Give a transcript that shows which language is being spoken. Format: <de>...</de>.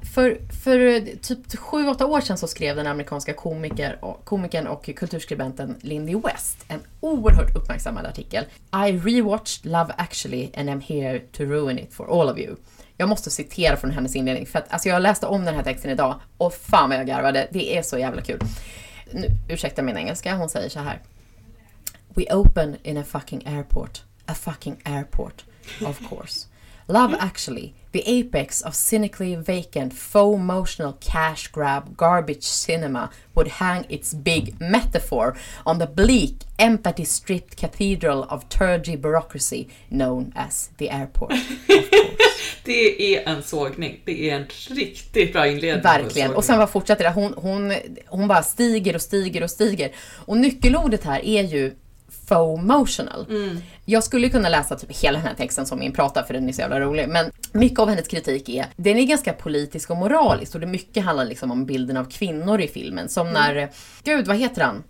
<sv>För typ 7-8 år sedan så skrev den amerikanska komikern och kulturskribenten Lindy West en oerhört uppmärksammad artikel:</sv> <en>I rewatched Love Actually and I'm here to ruin it for all of you.</en> <sv>Jag måste citera från hennes inledning, för att alltså jag läste om den här texten idag och fan vad jag garvade. Det är så jävla kul. Nu, ursäkta min engelska, hon säger så här:</sv> <en>We open in a fucking airport. A fucking airport, of course. Love Actually, the apex of cynically vacant, faux-motional cash grab garbage cinema, would hang its big metaphor on the bleak, empathy-stripped cathedral of turgy bureaucracy known as the airport.</en> <sv>Det är en sågning. Det är en riktigt bra inledning. Verkligen. Och sen bara fortsätter det. Hon bara stiger och stiger och stiger. Och nyckelordet här är ju faux-motional. Mm. Jag skulle kunna läsa typ hela den här texten som min pratar, för den är så jävla rolig, men mycket av hennes kritik är, den är ganska politisk och moralisk, och det mycket handlar liksom om bilden av kvinnor i filmen, som när gud, vad heter han?</sv>